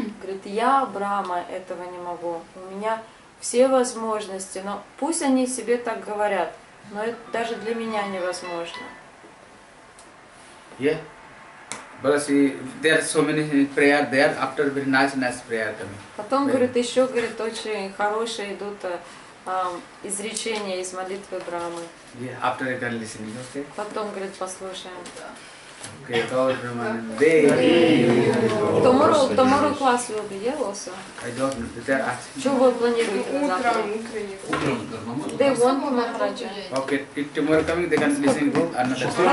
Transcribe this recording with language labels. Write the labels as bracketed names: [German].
[Russian] Говорит, я, Брама, этого не могу. У меня все возможности, но пусть они себе так говорят, но это даже для меня невозможно. [English] Yeah. But see, there are so many prayer there after very nice prayer coming. [Russian] Потом говорит еще говорит очень хорошие идут изречения из молитвы Брамы. [English] Yeah, after you can listen, okay? [Russian] Потом говорит послушаем. [English] Okay, call Brahmananda. Tomorrow class will be yeah also. I don't know. Is there actually? [Russian] Что вы планируете завтра? [English] They want to Maharaja. Okay, if tomorrow coming they can listen to another.